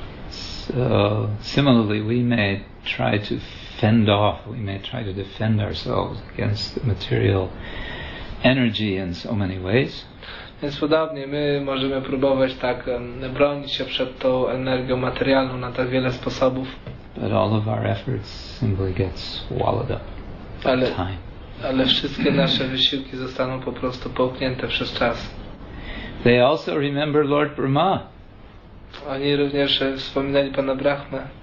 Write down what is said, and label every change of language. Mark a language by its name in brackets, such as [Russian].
[English] So, similarly, we may try to fend off, we may try to defend ourselves against the material energy in so many ways. [Polish] Więc podobnie, my możemy próbować tak bronić się przed tą energią materialną na tak wiele sposobów. [English] But all of our efforts simply get swallowed up. [Polish] Ale, [English] time. [Polish] ale wszystkie nasze wysiłki zostaną po prostu połknięte przez czas. [English] They also remember Lord Brahma. [Polish] Oni również wspominali Pana Brahmę.